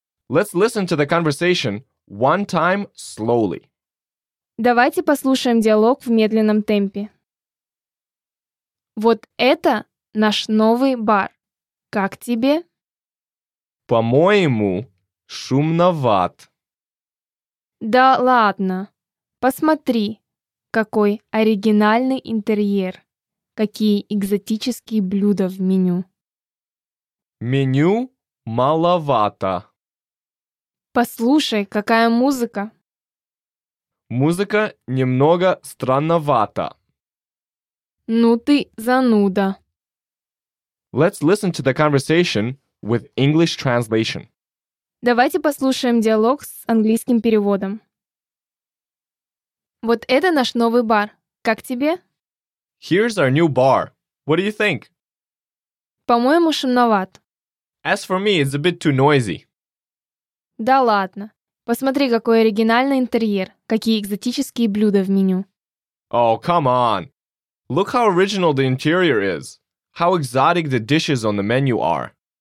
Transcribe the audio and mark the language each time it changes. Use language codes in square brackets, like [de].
[en] Let's listen to the conversation one time slowly. [ru] Давайте послушаем диалог в медленном темпе. Вот это наш новый бар. Как тебе? По-моему, шумноват. Да ладно. Посмотри. Какой оригинальный интерьер. Какие экзотические блюда в меню. Меню маловато. Послушай, какая музыка. Музыка немного странновата. Ну ты зануда. [en] Let's listen to the conversation with English translation. [ru] Давайте послушаем диалог с английским переводом. Вот это наш новый бар. Как тебе? [en] Here's our new bar. What do you think? [ru] По-моему, шумноват. [en] As for me, it's a bit too noisy. [ru] Да ладно. Посмотри, какой оригинальный интерьер. Какие экзотические блюда в меню. [en] Oh, come on. Look how original the interior is. How exotic the dishes on the menu are.